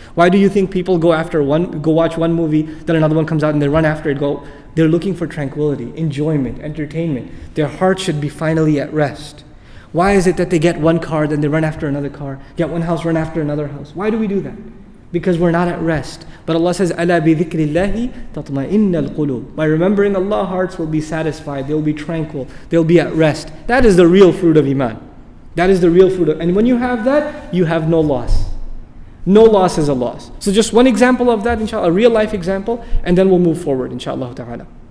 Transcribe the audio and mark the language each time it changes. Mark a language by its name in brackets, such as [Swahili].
[English] Why do you think people go after one, go watch one movie, then another one comes out and they run after it? They're looking for tranquility, enjoyment, entertainment. Their heart should be finally at rest. Why is it that they get one car, then they run after another car, get one house, run after another house? Why do we do that? Because we're not at rest. But Allah says, [Arabic] أَلَا بِذِكْرِ اللَّهِ تَطْمَئِنَّ الْقُلُوبِ. [English] By remembering Allah, hearts will be satisfied, they'll be tranquil, they'll be at rest. That is the real fruit of Iman. That is the real fruit of, and when you have that, you have no loss. No loss is a loss. So just one example of that, inshallah, a real life example, and then we'll move forward, inshallah ta'ala.